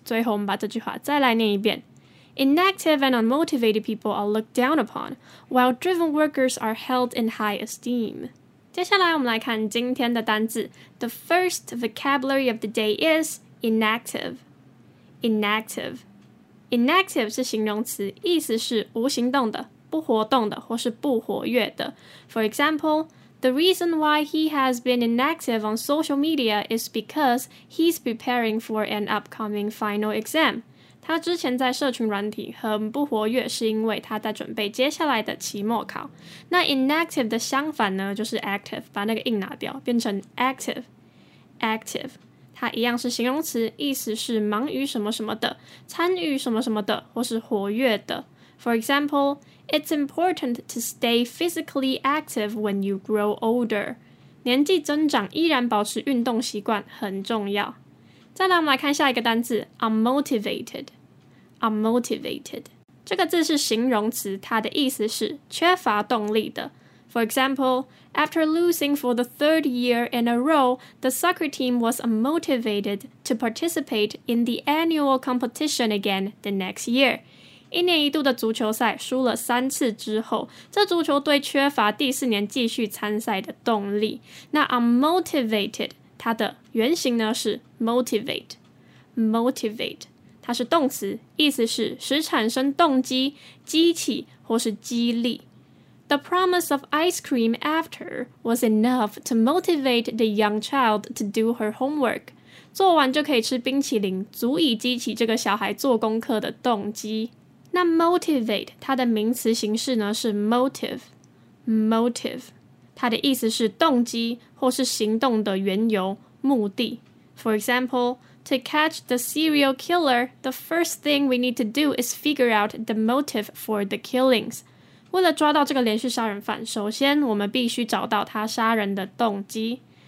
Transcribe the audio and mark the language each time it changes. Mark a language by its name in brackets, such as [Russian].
[Chinese] 最后我们把这句话再来念一遍。 [English] Inactive and unmotivated people are looked down upon, while driven workers are held in high esteem. [Chinese] 接下来我们来看今天的单字。 [English] The first vocabulary of the day is inactive. [Chinese] Inactive. Inactive 是形容词，意思是无行动的、不活动的或是不活跃的。 [English] For example,The reason why he has been inactive on social media is because he's preparing for an upcoming final exam. [Chinese] 他之前在社群软体很不活跃，是因为他在准备接下来的期末考。那 inactive 的相反呢，就是 active， 把那个 in 拿掉，变成 active。 active， 它一样是形容词，意思是忙于什么什么的，参与什么什么的，或是活跃的。 [English] For example, it's important to stay physically active when you grow older. [Chinese] 年纪增长依然保持运动习惯很重要。再来我们来看下一个单字 unmotivated. Unmotivated. 这个字是形容词，它的意思是缺乏动力的。 [English] For example, after losing for the third year in a row, the soccer team was unmotivated to participate in the annual competition again the next year. [Chinese] 一年一度的足球赛输了三次之后，这足球队缺乏第四年继续参赛的动力。那 unmotivated 它的原型呢是 motivate， 它是动词，意思是使产生动机、激起或是激励。 [English] The promise of ice cream after was enough to motivate the young child to do her homework. [Chinese] 做完就可以吃冰淇淋，足以激起这个小孩做功课的动机。那 motivate 它的名词形式呢是 motive， 它的意思是动机或是行动的缘由、目的。 [English] For example, to catch the serial killer, the first thing we need to do is figure out the motive for the killings. [Chinese] 为了抓到这个连续杀人犯，首先我们必须找到他杀人的动机。